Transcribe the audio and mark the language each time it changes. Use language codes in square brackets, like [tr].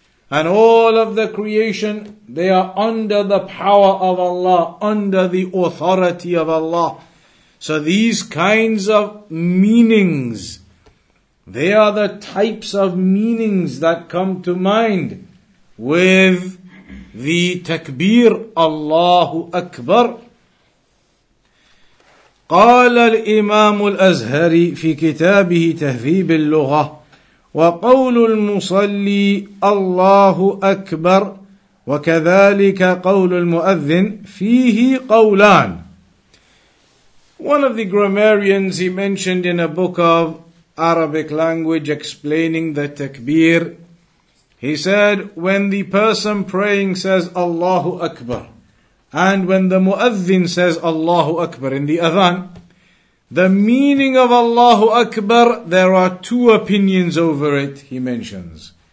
[en] And all of the creation, they are under the power of Allah, under the authority of Allah. So these kinds of meanings, they are the types of meanings that come to mind with the takbeer, Allahu Akbar. [ar] قال الإمام الأزهري في كتابه تهذيب اللغة وقول المصلي الله أكبر وكذلك قول المؤذن فيه قولان. [en] One of the grammarians he mentioned in a book of Arabic language explaining the takbir, he said when the person praying says Allahu Akbar and when the muadhin says Allahu Akbar in the adhan, the meaning of Allahu Akbar, there are two opinions over it, he mentions.